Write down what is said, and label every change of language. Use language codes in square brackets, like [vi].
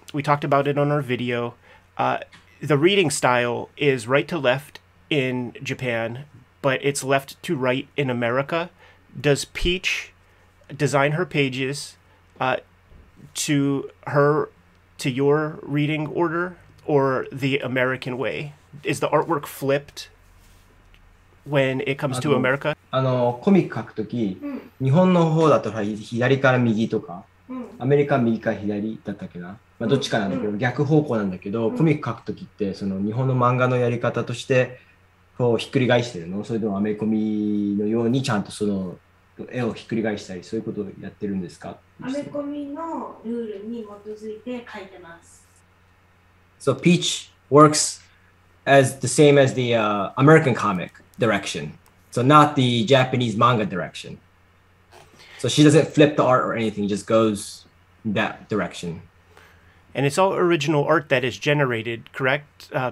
[en] We talked about it on our video. The reading style is right to left in Japan, but it's left to right in America. Does Peach design her pages to your reading order? Or the American way? Is the artwork flipped when it comes to America? [ja] コミック書くとき、日本の方だと左から右とか、アメリカ右から左だったっけな。まあどっちかなんだけど、逆方向なんだけど、コミック書くときってその日本の漫画のやり方としてこうひっくり返してるの。それでもアメコミのようにちゃんとその絵をひっくり返したり、そういうことをやってるんですか？アメコミのルールに基づいて書いてます。 [en] So Peach works as the same as the American comic direction. So not the Japanese manga direction. So she doesn't flip the art or anything, just goes that direction. And it's all original art that is generated, correct?